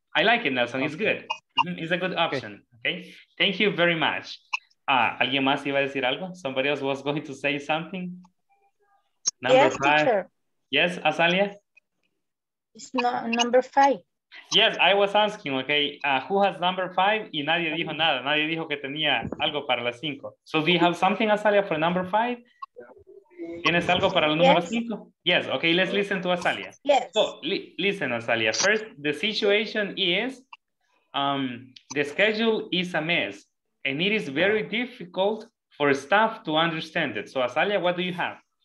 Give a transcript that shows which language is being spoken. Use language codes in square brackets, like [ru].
[en] I like it, Nelson, it's good. It's a good option, okay? Thank you very much. [es] Alguien más iba a decir algo? [en] Somebody else was going to say something? Number yes, five. Teacher. Yes, Azalia? It's not number five. Yes, I was asking, okay, who has number five? [es] Y nadie dijo nada, nadie dijo que tenía algo para las cinco. [en] So do you have something, Azalia, for number five? [es] ¿Tienes algo para el número cinco? [en] Yes, okay, let's listen to Azalia. Yes. So listen, Azalia, first, the situation is, the schedule is a mess, and it is very difficult for staff to understand it. So Azalia, what do you have?